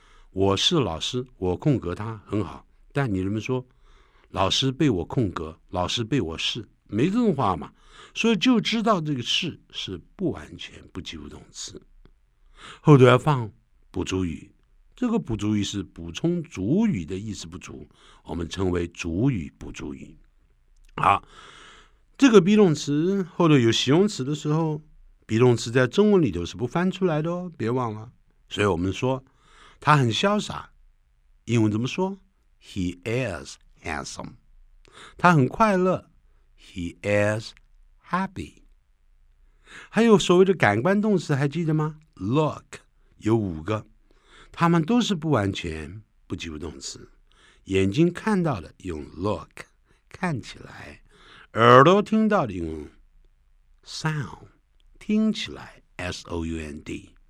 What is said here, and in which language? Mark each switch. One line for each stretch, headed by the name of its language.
Chinese: 我是老师，我空格他很好，但你能不能说老师被我空格，老师被我是，没这种话嘛，所以就知道这个是不完全不及物动词，后头要放补足语，这个补足语是补充主语的意思不足，我们称为主语补足语。好，这个 be 动词后头有形容词的时候， be 动词在中文里头是不翻出来的哦，别忘了。所以我们说他很潇洒，英文怎么说？
English: He is handsome.
Chinese: 他很快乐，
English: He is happy.
Chinese: 还有所谓的感官动词还记得吗？Look 有五个，他们都是不完全不及物动词。眼睛看到的用 look 看起来，耳朵听到的用 sound 听起来 S-O-U-N-D。